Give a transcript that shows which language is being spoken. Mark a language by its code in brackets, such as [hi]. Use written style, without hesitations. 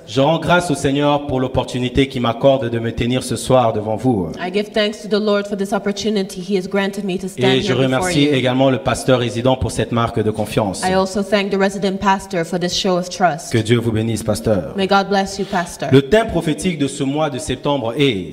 [fr] Je rends grâce au Seigneur pour l'opportunité qu'il m'accorde de me tenir ce soir devant vous. Et je remercie également le pasteur résident pour cette marque de confiance. [en] I also thank the resident pastor for this show of trust. [fr] Que Dieu vous bénisse, pasteur. [en] May God bless you, pastor. [fr] Le thème prophétique de ce mois de septembre est